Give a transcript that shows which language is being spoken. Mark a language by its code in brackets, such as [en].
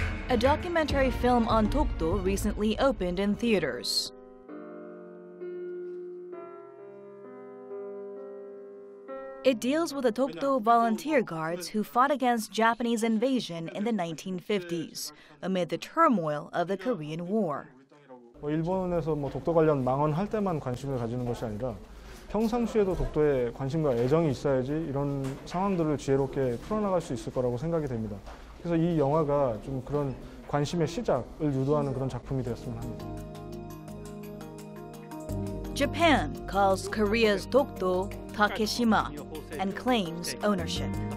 [en] A documentary film on Dokdo recently opened in theaters. It deals with the Dokdo volunteer guards who fought against Japanese invasion in the 1950s, amid the turmoil of the Korean War. [ko] 뭐 일본에서 뭐 독도 관련 망언할 때만 관심을 가지는 것이 아니라 평상시에도 독도에 관심과 애정이 있어야지 이런 상황들을 지혜롭게 풀어나갈 수 있을 거라고 생각이 됩니다. 그래서 이 영화가 좀 그런 관심의 시작을 유도하는 그런 작품이 되었으면 합니다. [en] Japan calls Korea's Dokdo Takeshima and claims ownership.